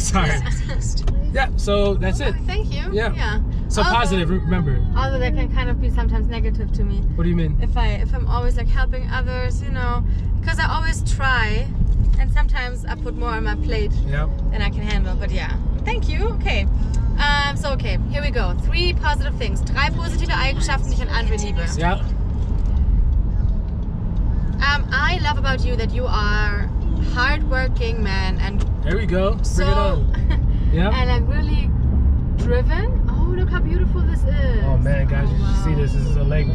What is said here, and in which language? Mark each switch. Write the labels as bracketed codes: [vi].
[en] Sorry. Yeah, so that's it. Thank you. Yeah. So positive, remember. Although that can kind of be sometimes negative to me. What do you mean? If I'm always like helping others, you know, because I always try, and sometimes I put more on my plate than I can handle. But yeah, thank you. Okay. Okay, here we go. Three positive things. [de] Drei positive Eigenschaften, die ich an Andre liebe. [en] Yeah. I love about you that you are hardworking man. And there we go. So, bring it on. Yeah. And I'm really driven. Look how beautiful this is. Oh man, guys, you should see this. This is a lake.